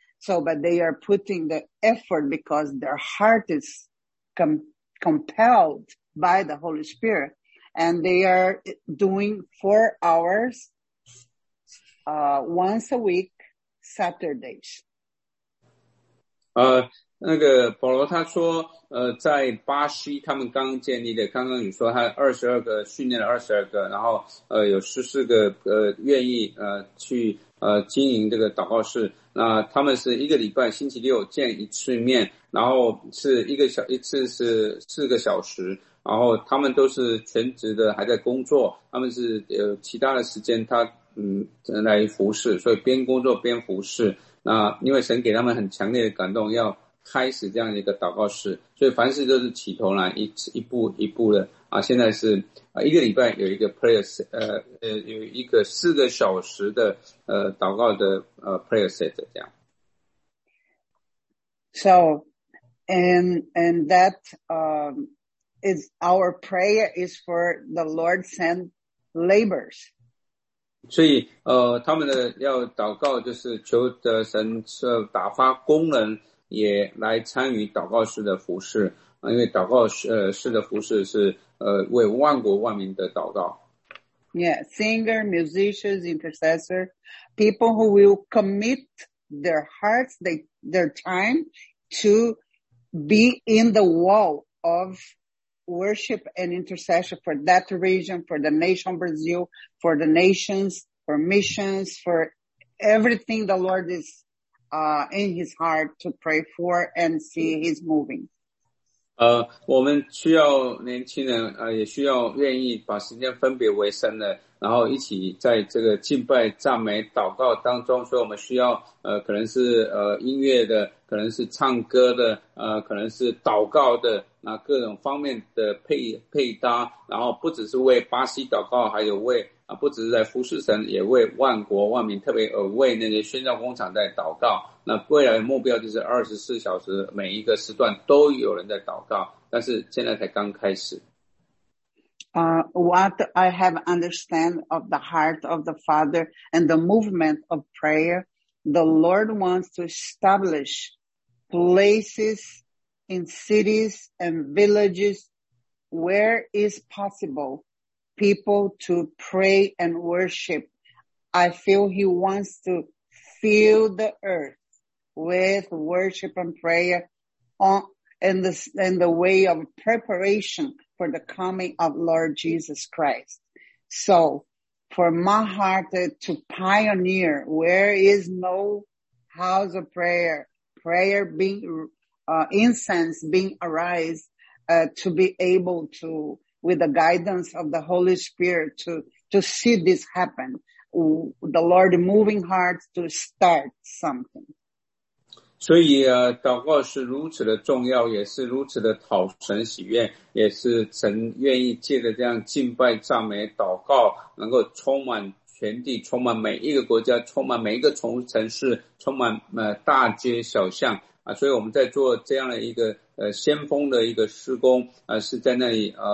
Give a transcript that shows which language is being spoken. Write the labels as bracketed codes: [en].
[en] So, but they are putting the effort because their heart is compelled by the Holy Spirit. And they are doing 4 hours once a week, Saturdays. [zh] 那个保罗他说在巴西他们刚建立的，刚刚你说他22个训练了22个，然后有14个愿意去经营这个祷告室，那他们是一个礼拜星期六见一次面，然后是一次是4个小时，然后他们都是全职的还在工作，他们是有其他的时间他来服侍，所以边工作边服侍，那因为神给他们很强烈的感动要开始这样一个祷告室，所以凡事都是起头来，一步一步的啊。现在是一个礼拜有一个 [en] prayer， [zh] 有一个4个小时的祷告的 [en] prayer set [zh] 这样。 [en] So, and that is our prayer is for the Lord send labors. [zh] 所以他们的要祷告就是求的神是打发工人。也来参与祷告室的服事，因为祷告室的服事是为万国万民的祷告。 [en] Yeah, singer, musicians, intercessor, people who will commit their hearts, their time to be in the wall of worship and intercession for that region, for the nation Brazil, for the nations, for missions, for everything the Lord is in his heart to pray for and see his moving. [zh] 我们需要年轻人也需要愿意把时间分别为圣的，然后一起在这个敬拜、赞美、祷告当中，所以我们需要可能是音乐的，可能是唱歌的，可能是祷告的，那各种方面的配搭，然后不只是为巴西祷告，还有为不只是在服侍神，也为万国万民，特别为那些宣教工厂在祷告。那未来的目标就是24小时每一个时段都有人在祷告，但是现在才刚开始。 [en] What I have understand of the heart of the Father and the movement of prayer, the Lord wants to establish places, in cities and villages, where is possible, people to pray and worship. I feel he wants to fill the earth with worship and prayer on, in the way of preparation for the coming of Lord Jesus Christ. So for my heart to pioneer, where is no house of prayer, prayer being, incense being arise, to be able to, with the guidance of the Holy Spirit, to see this happen. The Lord moving hearts to start something. [zh] 所以, 祷告是如此的重要, 也是如此的讨神喜悦, 也是神愿意借着这样敬拜, 赞美, 祷告, 能够充满全地, 充满每一个国家, 充满每一个城市, 充满, 大街, 小巷, 啊, 所以我们在做这样的一个, 先锋的一个施工, 啊, 是在那里,